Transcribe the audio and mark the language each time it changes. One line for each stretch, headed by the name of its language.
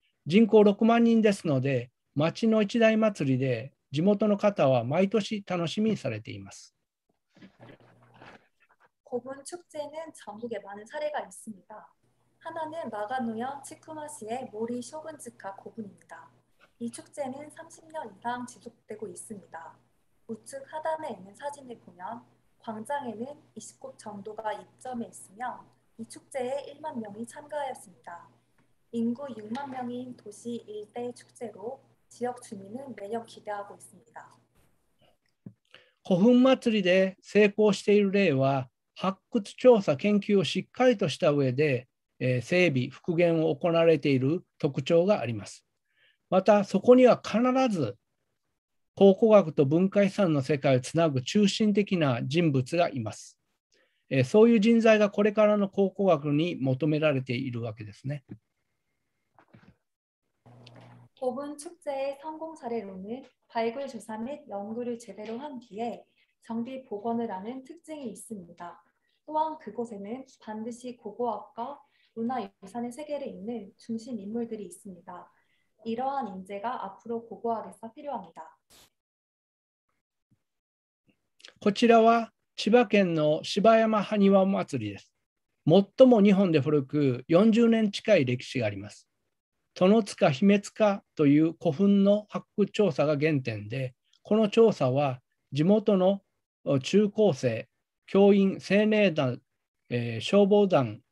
Japanese: 人口6万人ですので、町の一大祭りで地元の方は毎年楽しみにされています。
Korean: 古墳축제는전국에많은사례가있습니다。하나는長野や千曲市의森将軍塚古墳입니다。 이축제는30년이상지속되고있습니다。 우측하단에있는사진을보면광장에는20곳정도가입점해있으며이축제에1만명이참가하였습니다。 인구6만명인도시일대축제로지역주민은매년기대하고있습니다。
Japanese: 古墳祭りで成功している例は発掘調査研究をしっかりとした上で整備復元を行われている特徴があります。またそこには必ず考古学と文化遺産の世界をつなぐ中心的な人物がいます。そういう人材がこれからの考古学に求められているわけですね。
Korean: 古墳축제의성공사례로는발굴조사및연구를제대로한뒤에정비복원을하는특징이있습니다。 또한그곳에는반드시고고학과문화유산의세계를잇는중심인물들이있습니다。 이러한인재가앞으로고고학에서필요합니다。
Japanese: こちらは千葉県の芝山埴輪祭りです。最も日本で古く40年近い歴史があります。殿塚姫塚という古墳の発掘調査が原点で、この調査は地元の中高生、教員、青年団、消防団、